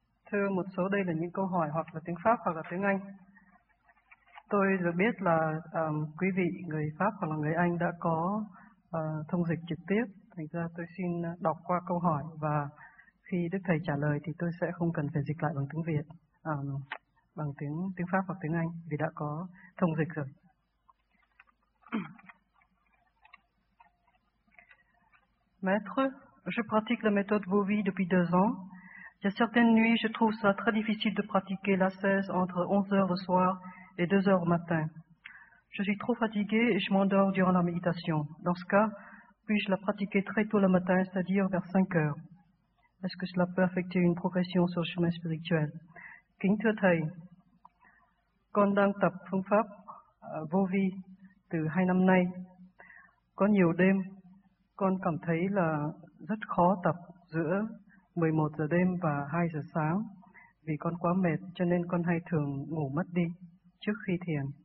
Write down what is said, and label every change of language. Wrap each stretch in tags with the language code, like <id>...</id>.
<vi>Thưa một số đây là những câu hỏi hoặc là tiếng Pháp hoặc là tiếng Anh. Tôi được biết là quý vị người Pháp hoặc là người Anh đã có thông dịch trực tiếp, thành ra tôi xin đọc qua câu hỏi và khi Đức Thầy trả lời thì tôi sẽ không cần phải dịch lại bằng tiếng Việt, bằng tiếng Pháp hoặc tiếng Anh vì đã có thông dịch rồi.</vi> <fr>Maître, je pratique la méthode Vovi depuis 2 ans. Il y a certaines nuits, je trouve ça très difficile de pratiquer la 16 entre 11h le soir et 2h au matin. Je suis trop fatiguée et je m'endors durant la méditation. Dans ce cas, puis-je la pratiquer très tôt le matin, c'est-à-dire vers 5h? Est-ce que cela peut affecter une progression sur le chemin spirituel?</fr> <vi>Kính thưa Thầy, con đang tập phương pháp Vovi từ 2 năm nay. Có nhiều đêm, con cảm thấy là rất khó tập giữa 11 giờ đêm và 2 giờ sáng. Vì con quá mệt cho nên con hay thường ngủ mất đi trước khi thiền.</vi>